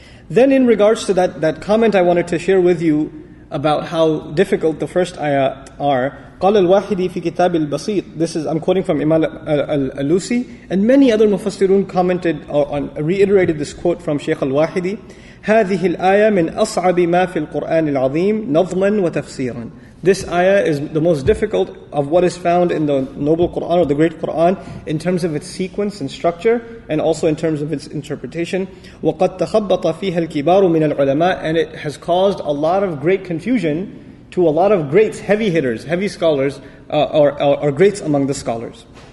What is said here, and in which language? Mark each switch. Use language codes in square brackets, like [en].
[en] Then in regards to that comment I wanted to share with you about how difficult the first ayat are, [ar] قَالَ الْوَاحِدِ فِي كِتَابِ الْبَصِيرِ. [en] This is, I'm quoting from Imam al-Alusi, and many other mufassirun commented on, reiterated this quote from Shaykh al-Wahidi. [ar] هذه الآية من أصعب ما في القرآن العظيم نظما وتفسيرا. [en] This ayah is the most difficult of what is found in the Noble Quran or the Great Quran in terms of its sequence and structure, and also in terms of its interpretation. [ar] وَقَدْ تَخَبَّطَ فِيهَا الْكِبَارُ مِنَ الْعُلَمَاءِ. [en] And it has caused a lot of great confusion to a lot of greats, heavy hitters, heavy scholars, or greats among the scholars.